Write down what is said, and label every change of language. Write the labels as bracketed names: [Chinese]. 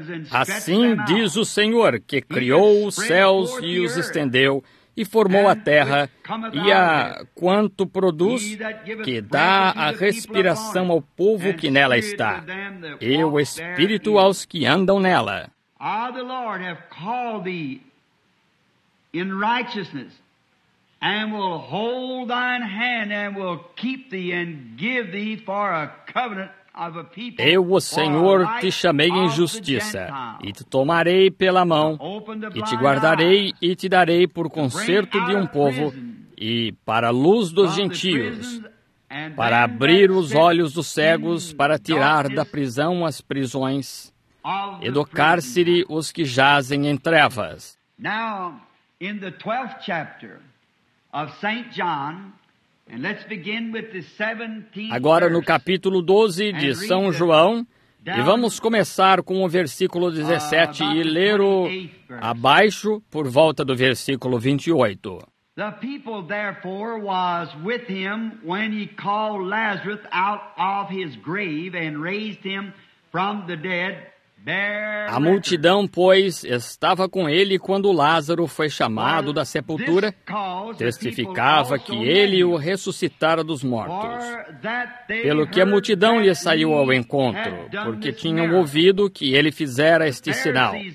[Portuguese] Assim diz o Senhor, que criou os céus e os estendeu, e formou a terra, e a quanto produz, que dá a respiração ao povo que nela está, e o espírito aos que andam nela. [English] I, the Lord, have called thee in righteousness, and will hold thine hand, and will keep thee, and give thee for a covenant of a people. [Portuguese] Eu, o Senhor, te chamei em justiça, e te tomarei pela mão, e te guardarei, e te darei por conserto de um povo, e para a luz dos gentios, para abrir os olhos dos cegos, para tirar da prisão as prisões, e do cárcere os que jazem em trevas. [English] Now, in the 12th chapter of Saint John, and let's begin with the 17th. [Portuguese] Agora no capítulo 12 de São João, e vamos começar com o versículo 17 e ler o abaixo por volta do versículo 28. [English] The people therefore was with him when he called Lazarus out of his grave and raised him from the dead. [Portuguese] A multidão, pois, estava com ele quando Lázaro foi chamado da sepultura, testificava que ele o ressuscitara dos mortos. Pelo que a multidão lhe saiu ao encontro, porque tinham ouvido que ele fizera este sinal.